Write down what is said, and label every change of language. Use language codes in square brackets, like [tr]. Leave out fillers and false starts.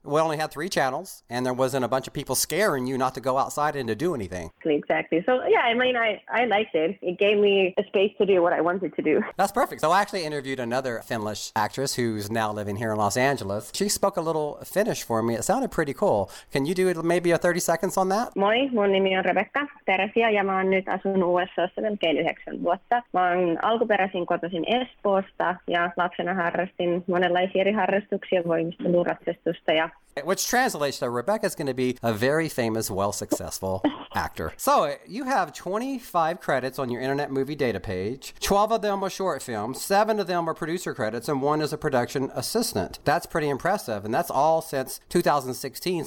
[en] We only had 3 channels, and there wasn't a bunch of people scaring you not to go outside and to do anything. Exactly. So, yeah, I mean, I liked it. It gave me a space to do what I wanted to do. That's perfect. So I actually interviewed another Finnish actress who's now living here in Los Angeles. She spoke a little Finnish for me. It sounded pretty cool. Can you do maybe a 30 seconds on that? [fi] Moi, mun nimi on Rebecca Teräsiä, ja mä oon nyt asunut USA:ssa melkein 9 vuotta. Mä oon alkuperäisin kotoisin Espoosta, ja lapsena harrastin monenlaisia eri harrastuksia, voimisteluratsastusta ja... [en] Which translates to Rebecca's going to be a very famous, well-successful actor. So you have 25 credits on your internet movie data page. 12 of them are short films. 7 of them are producer credits. And 1 is a production assistant. That's pretty impressive. And that's all since 2016.